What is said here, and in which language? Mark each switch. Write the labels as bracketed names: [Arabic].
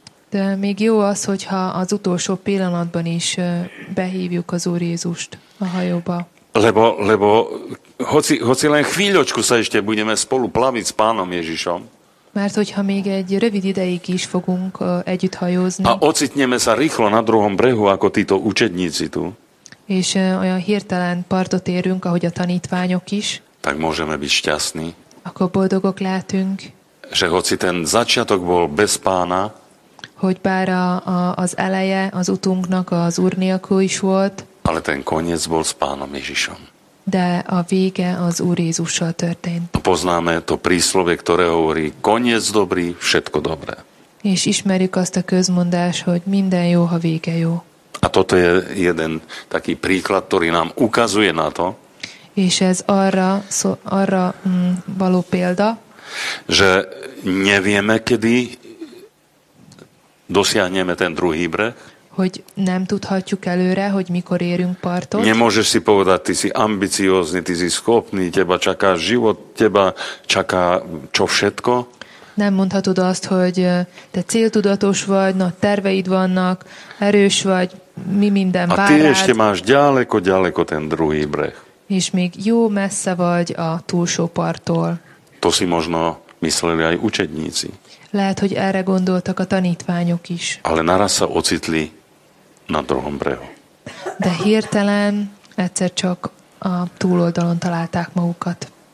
[Hungarian] De még jó az, hogyha az utolsó pillanatban is behívjuk az Úr Jézust a hajóba. [Slovak] Lebo hoci len chvíľočku sa ešte budeme spolu plaviť s Pánom Ježišom. [Hungarian] Mert hogyha még egy rövid ideig is fogunk együtt hajózni. [Slovak] A ocitneme sa rýchlo na druhom brehu, ako títo učedníci tu. [Hungarian] És olyan hirtelen partot érünk, ahogy a tanítványok is. [Slovak] Tak môžeme byť šťastní. [Hungarian] Akkor boldogok lehetünk. [Slovak] Že hoci ten začiatok bol bez pána. [Hungarian] Hogy bár az eleje az utunknak az úr nélkül is volt. [Slovak] Ale ten koniec bol s pánom Ježišom. [Hungarian] De a vége az Úr Jézussal történt. [Slovak] Poznáme to príslovie, ktoré hovorí, koniec dobrý, všetko dobré. [Hungarian] És ismerjük azt a közmondás, hogy minden jó, ha vége jó. [Slovak] A toto je jeden taký príklad, ktorý nám ukazuje na to, [Hungarian] és ez arra való példa, [Slovak] že nevieme, kedy dosiahneme ten druhý breh, [Hungarian] hogy nem tudhatjuk előre, hogy mikor érünk partot. [Slovak] Nemôžeš si povedať, ty si ambiciózny, ty si schopný, teba čaká život, teba čaká čo všetko. [Hungarian] Nem mondhatod azt, hogy te céltudatos vagy, nagy terveid vannak, erős vagy, mi minden vár rád. [Slovak] A ty ešte máš ďaleko, ďaleko ten druhý breh. [Hungarian] És még jó messze vagy a túlsó parttól. [Slovak] To si možno mysleli aj učedníci. [Hungarian] Lehet, hogy erre gondoltak a tanítványok is. [Slovak] Ale naraz sa ocitli na druhom brehu. [Hungarian] De hirtelen egyszer csak a túloldalon találták magukat.